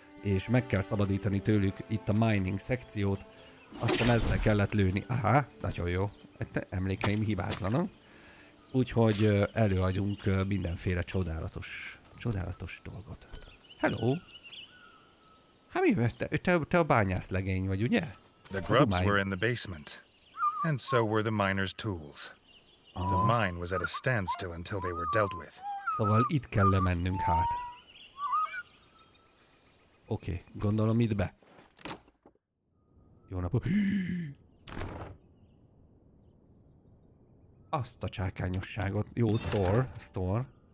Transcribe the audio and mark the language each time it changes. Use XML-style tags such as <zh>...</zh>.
<hu>és meg kell szabadítani tőlük itt a mining szekciót. Azt hiszem ezzel kellett lőni. Aha, nagyon jó. Emlékeim hibátlanak. Úgyhogy előadjunk mindenféle csodálatos dolgot. Hello! Hát mi, te a bányász legény vagy, ugye?</hu> <en>The grubs were in the basement, and so were the miners' tools. The mine was at a standstill until they were dealt with.</en> <hu>Szóval itt kell lemennünk hát. Oké, gondolom itt be. Jó napot. Azt a csákányosságot. Jó, store.</hu>